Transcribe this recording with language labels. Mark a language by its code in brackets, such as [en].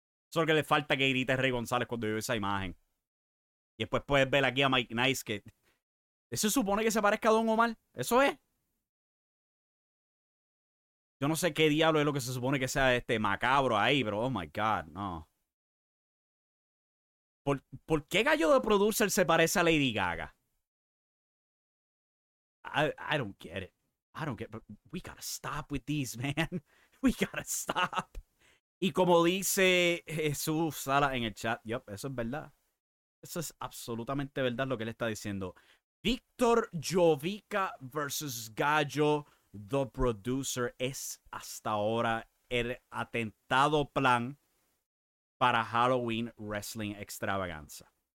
[es] Solo que le falta que grite Rey González cuando vio esa imagen. Y después puedes ver aquí a Mike Nice, que ¿eso supone que se parezca a Don Omar? ¿Eso es? Yo no sé qué diablo es lo que se supone que sea este macabro ahí, pero [en] oh my God, [es] no. ¿Por qué Gallo de Producer se parece a Lady Gaga? [en] I don't get it. I don't get it. We gotta stop with this, man. We gotta stop. [es] Y como dice Jesús Sala en el chat, yep, eso es verdad. Eso es absolutamente verdad lo que él está diciendo. Víctor Jovica versus Gallo the Producer es hasta ahora el atentado plan para Halloween Wrestling Extravaganza.